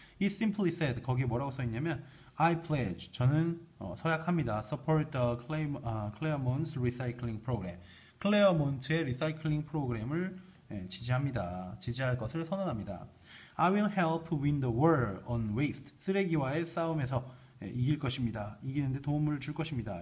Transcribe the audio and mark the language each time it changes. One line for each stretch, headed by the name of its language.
English: It simply said,
Korean: 거기에 뭐라고 써 있냐면
English: I pledge,
Korean: 저는 서약합니다.
English: Support the Claremont's recycling program.
Korean: Claremont의 리사이클링 프로그램을 지지합니다. 지지할 것을 선언합니다.
English: I will help win the war on waste.
Korean: 쓰레기와의 싸움에서 이길 것입니다. 이기는데 도움을 줄 것입니다.